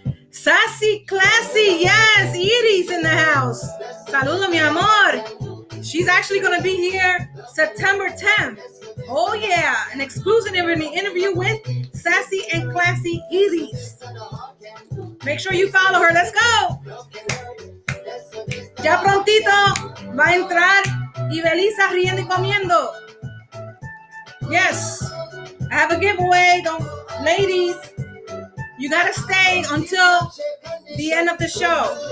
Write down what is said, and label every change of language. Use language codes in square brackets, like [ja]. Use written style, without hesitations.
[en] Sassy Classy, yes, Edie's in the house. [es] Saludo, mi amor. [en] She's actually gonna be here September 10th. Oh yeah, an exclusive interview with Sassy and Classy Edie's. Make sure you follow her. Let's go. [es] Ya prontito va a entrar Ivelisa Riendo y Comiendo. [en] Yes. I have a giveaway. Don't, ladies, you got to stay until the end of the show.